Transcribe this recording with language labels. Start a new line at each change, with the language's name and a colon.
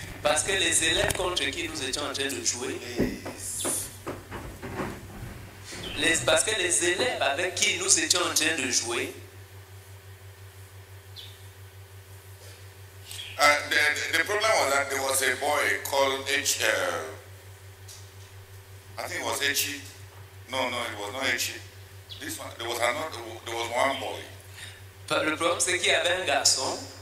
French: Parce que les élèves contre qui nous étions en train de jouer,
English: the problem was that there was a boy called
French: Le problème c'est qu'il y avait un garçon.